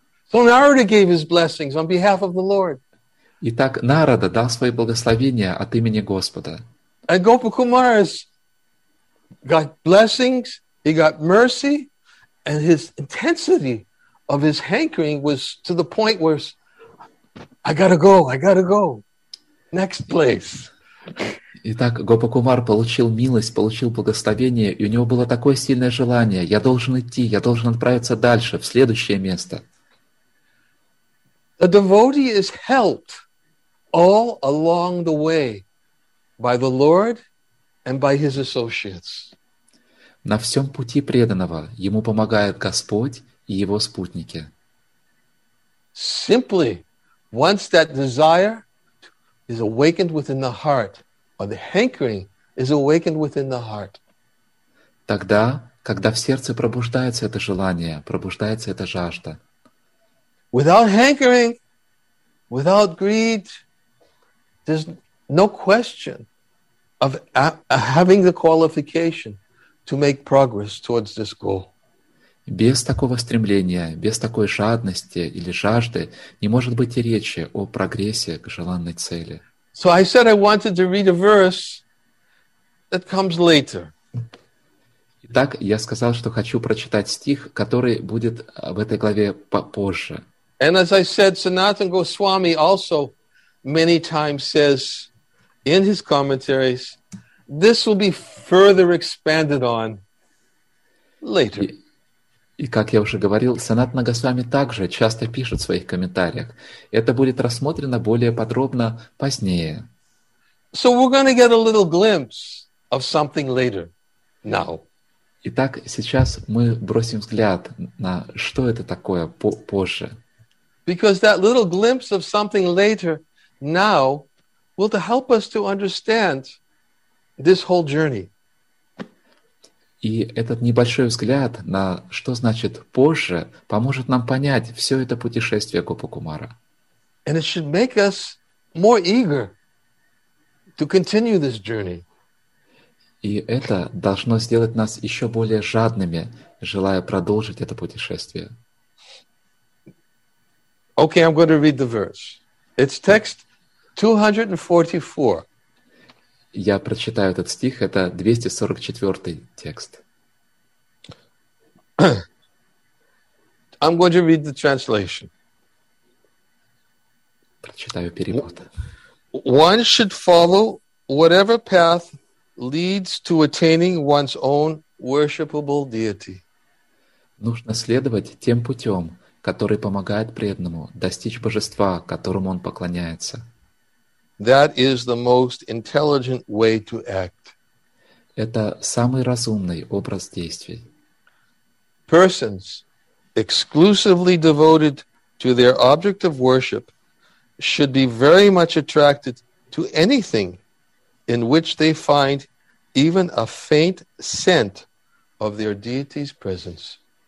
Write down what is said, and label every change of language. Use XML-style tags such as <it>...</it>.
<en>So Narada gave his blessings on behalf of the Lord.</en> <ru>Итак, Нарада дал свои благословения от имени Господа.</ru> <en>And Gopakumaras got blessings. He got mercy. And his intensity of his hankering was to the point where I gotta go, I gotta go. Next place.</en> <ru>Итак, Гопакумар получил милость, получил благословение, и у него было такое сильное желание. Я должен идти, я должен отправиться дальше, в следующее место.</ru> <en>The devotee is helped all along the way by the Lord and by his associates.</en> <ru>На всем пути преданного ему помогает Господь и его спутники.</ru> <en>Simply, once that desire is awakened within the heart, or the hankering is awakened within the heart.</en> <ru>Тогда, когда в сердце пробуждается это желание, пробуждается эта жажда.</ru> <en>Without hankering, without greed, there's no question of having the qualification to make progress towards this goal.</en> <ru>Без такого стремления, без такой жадности или жажды не может быть и речи о прогрессе к желанной цели.</ru> <en>So I said I wanted to read a verse that comes later.</en> <ru>Итак, я сказал, что хочу прочитать стих, который будет в этой главе позже.</ru> <en>And as I said, Sanatan Goswami also many times says in his commentaries, this will be further expanded on later.</en> <ru>И как я уже говорил, Санатана Госвами также часто пишет в своих комментариях. Это будет рассмотрено более подробно позднее.</ru> <en>So we're going to get a little glimpse of something later, now.</en> <ru>Итак, сейчас мы бросим взгляд на что это такое позже.</ru> <en>Because that little glimpse of something later, now, will help us to understand this whole journey.</en> <ru>И этот небольшой взгляд на что значит позже поможет нам понять все это путешествие Гопакумара.</ru> <en>And it should make us more eager to continue this journey.</en> <ru>И это должно сделать нас еще более жадными, желая продолжить это путешествие.</ru> <en>Okay, I'm going to read the verse. It's text 244.</en> <ru>Я прочитаю этот стих, это 244 текст.</ru> <en>I'm going to read the translation.</en> <ru>Прочитаю перевод.</ru> <en>One should follow whatever path leads to attaining one's own worshipable deity.</en> <ru>Нужно следовать тем путем, который помогает преданному достичь божества, которому он поклоняется.</ru> <en>That is the most intelligent way to act.</en> <ru>Это самый разумный образ действий.</ru> <en>Persons, exclusively devoted to their object of worship, should be very much attracted to anything in which they find even a faint scent of their deity's presence.</en>